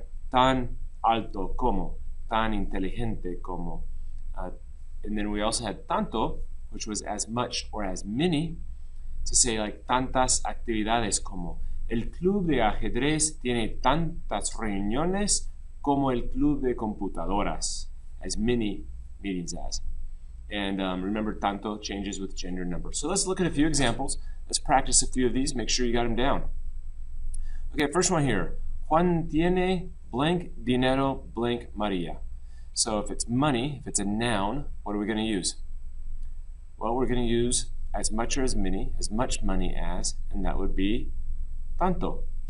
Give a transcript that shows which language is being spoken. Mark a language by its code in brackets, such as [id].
[es] Tan alto como. Tan inteligente como. [en] And then we also had tanto, which was as much or as many, to say like [es] tantas actividades como. El club de ajedrez tiene tantas reuniones como el club de computadoras, [en] as many meetings as. And remember, tanto changes with gender number. So let's look at a few examples. Let's practice a few of these, make sure you got them down. Okay, first one here. [es] Juan tiene blank dinero blank María. [en] So if it's money, if it's a noun, what are we gonna use? Well, we're gonna use as much or as many, as much money as, and that would be tanto.